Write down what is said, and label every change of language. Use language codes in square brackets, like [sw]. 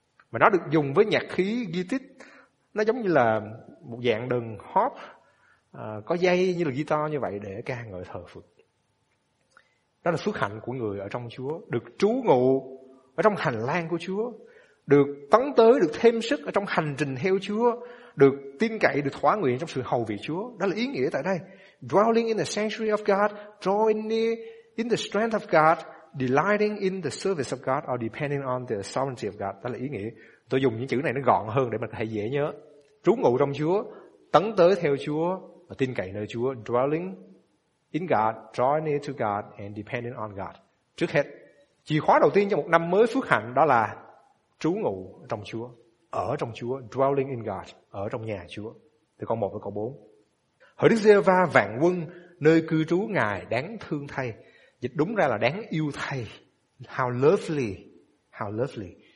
[vi] Mà nó được dùng với nhạc khí Gittit. Nó giống như là một dạng đờn hóp có dây như là guitar như vậy để ca ngợi thờ phượng. Đó là phước hạnh của người ở trong Chúa, được trú ngụ ở trong hành lang của Chúa, được tấn tới, được thêm sức ở trong hành trình theo Chúa, được tin cậy, được thỏa nguyện trong sự hầu vị Chúa. Đó là ý nghĩa tại đây. [en] Dwelling in the sanctuary of God, drawing near in the strength of God, delighting in the service of God, or depending on the sovereignty of God. [vi] Đó là ý nghĩa. Tôi dùng những chữ này nó gọn hơn để mình có thể dễ nhớ. Trú ngụ trong Chúa, tấn tới theo Chúa và tin cậy nơi Chúa. [en] Dwelling in God, drawing near to God, and depending on God. [vi] Trước hết, chìa khóa đầu tiên cho một năm mới phước hạnh đó là trú ngụ trong Chúa, ở trong Chúa, [en] dwelling in God, [vi] ở trong nhà Chúa. Từ câu 1 tới câu 4. Hỡi Đức Giê-hô-va vạn quân, nơi cư trú Ngài đáng thương thay. Dịch đúng ra là đáng yêu thay. [en] How lovely, how lovely.